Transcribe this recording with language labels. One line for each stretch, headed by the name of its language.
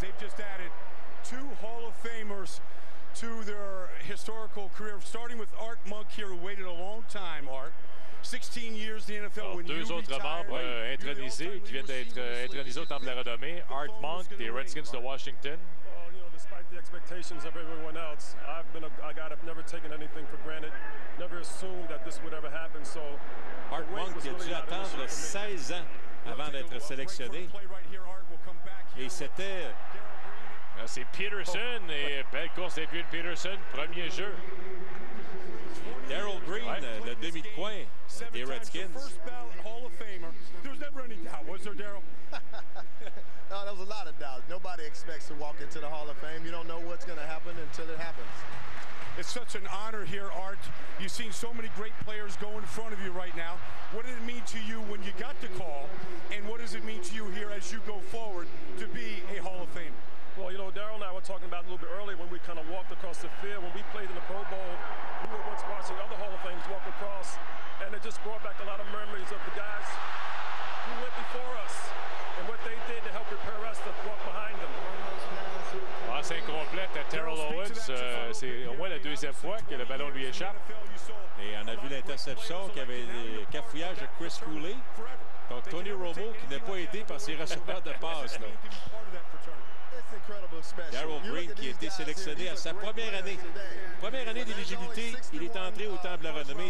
English: They've just added two Hall of Famers to their historical career, starting with Art Monk here, who waited a long time, Art. 16 years in the NFL.
French: Alors, deux autres membres intronisés qui viennent d'être intronisés au Temple de la Renommée, Art Monk des Redskins de Washington.
English: Well, you know, despite the expectations of everyone else, I've never taken anything for granted, never assumed that this would ever happen. So,
French: Art Monk a dû attendre 16 ans avant d'être sélectionné. Et c'était. Ah, c'est Peterson et belle course d'Adrian Peterson, premier jeu. Daryl Green, ouais. Le demi de coin des Redskins.
English: There was never any doubt, was there, Daryl? No, there was a lot of doubt. Nobody expects to walk into the Hall of Fame. You don't know what's going to happen until it happens. It's such an honor here, Art. You've seen so many great players go in front of you right now. What did it mean to you when you got the call? And what does it mean to you here as you go forward to be a Hall of Famer? Well, you know, Daryl and I were talking about a little bit earlier when we kind of walked across the field. When we played in the Pro Bowl, we were once watching other Hall of Famers walk across, and it just brought back a lot of memories of the guys who went before us and what they did to help prepare us to walk behind them.
French: Passe incomplète à Terrell Owens. C'est au moins la deuxième fois que le ballon lui échappe. Et on a vu l'interception qui avait des cafouillages de Chris Cooley. Donc Tony Romo qui n'a pas aidé par ses receveurs de passe, là. Daryl Green qui a été sélectionné à sa première année d'éligibilité, il est entré au Temple de la Renommée.